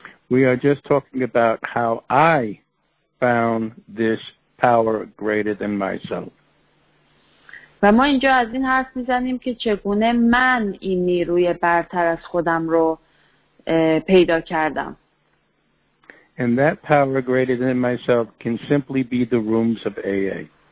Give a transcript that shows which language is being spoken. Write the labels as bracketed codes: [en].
[en] We are just talking about how I found this power greater than myself. [fa] و ما اینجا از این حرف می زنیم که چگونه من این نیروی برتر از خودم رو پیدا کردم. [en] And that power greater than myself can simply be the rooms of AA.